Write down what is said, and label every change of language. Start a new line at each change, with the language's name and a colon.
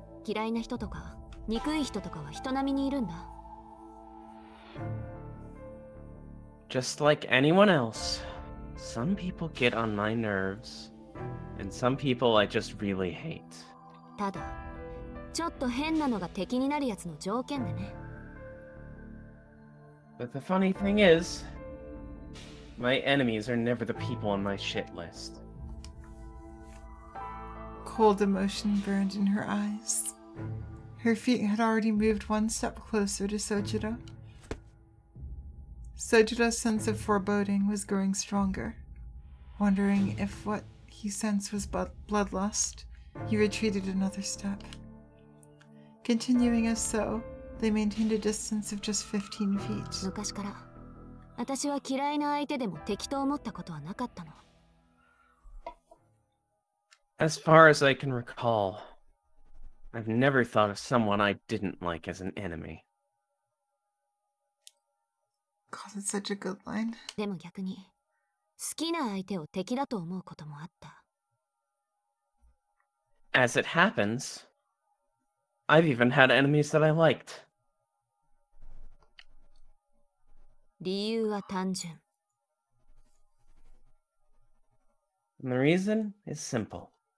Japanese: 嫌いな人とか、憎い人とかは人並みにいるんだ。
English: Just like anyone else, some people get on my nerves. And some people I just really hate.
Japanese: ただ、ちょっと変なのが敵になるやつの条件でね。
English: But the funny thing is, my enemies are never the people on my shit list. Cold emotion burned in her eyes. Her feet had already moved one step closer to Sojiro. Sojiro's sense of foreboding was growing stronger, wondering if what... He sensed was bloodlust. He retreated another step. Continuing as so, they maintained a distance of just 15 feet.
Japanese: 昔から、私は嫌いな相手でも敵と思ったことはなかったの。
English: As far as I can recall, I've never thought of someone I didn't like as an enemy. God, that's such a good line.
Japanese: でも逆に、好きな相手を敵だと思うこともあった。
English: As it happens, I've even had enemies that I liked.
Japanese: 理由は単純。
English: And the reason is simple.